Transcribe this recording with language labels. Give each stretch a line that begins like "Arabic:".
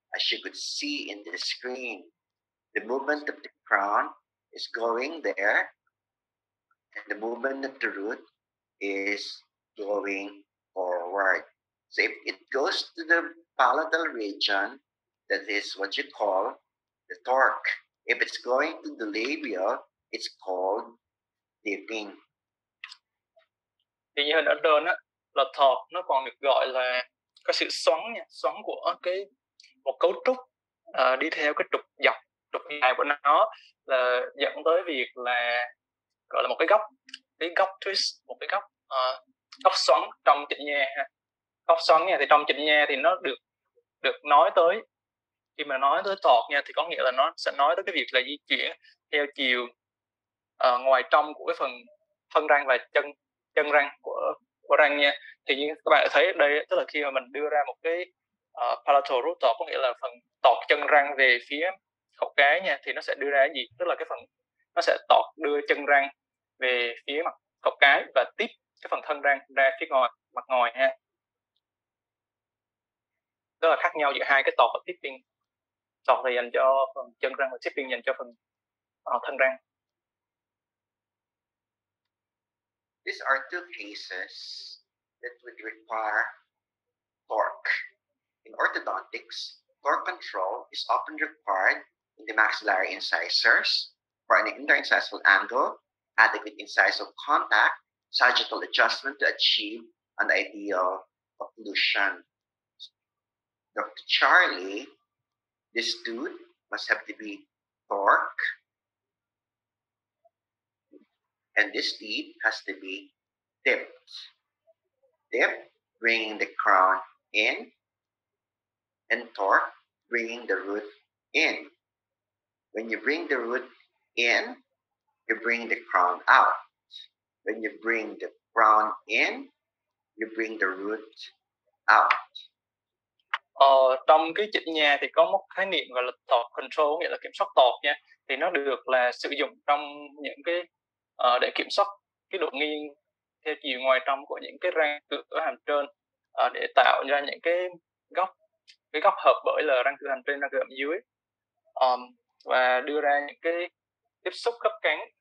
English: As you could see in the screen, the movement of the crown is going there, and the movement of the root is going forward. So if it goes to the palatal region, that is what you call the torque. If it's going to the labia, it's called dipping.
Vietnamese: Thì như hình ở trên á, là torque nó còn được gọi là có sự xoắn nha, xoắn của cái một cấu trúc đi theo cái trục dọc, trục dài của nó là dẫn tới việc là gọi là một cái góc twist, một cái góc xoắn trong chỉnh nha. Góc xoắn nha, thì trong chỉnh nha thì nó được nói tới, khi mà nói tới tọt nha thì có nghĩa là nó sẽ nói tới cái việc là di chuyển theo chiều ngoài trong của cái phần thân răng và chân răng của răng nha. Thì như các bạn thấy đây, tức là khi mà mình đưa ra một cái palatal root tọt, có nghĩa là phần tọt chân răng về phía khẩu cái nha, thì nó sẽ đưa ra cái gì, tức là cái phần nó sẽ tọt đưa chân răng về phía mặt khẩu cái và tiếp cái phần thân răng ra phía ngoài mặt ngoài ha. Đó là khác nhau giữa hai cái tọt và tipping. Tọt thì dành cho phần chân răng và tipping dành cho phần thân răng.
English: These are two cases that would require torque. In orthodontics, torque control is often required in the maxillary incisors for an interincisal angle, adequate incisal contact, sagittal adjustment to achieve an ideal occlusion. Dr. Charlie, this tooth must have to be torque, and this teeth has to be tipped. Tip, bringing the crown in, and torque, bringing the root in. When you bring the root in, you bring the crown out. When you bring the crown in, you bring the root out.
Vietnamese: Trong cái chỉnh nha thì có một khái niệm gọi là torque control, nghĩa là kiểm soát torque nha. Thì nó được là sử dụng trong những cái để kiểm soát cái độ nghiêng theo chiều ngoài trong của những cái răng cửa hàm trên để tạo ra những cái góc hợp bởi là răng cửa hàm trên, răng cửa hàm dưới, và đưa ra những cái tiếp xúc khớp cắn.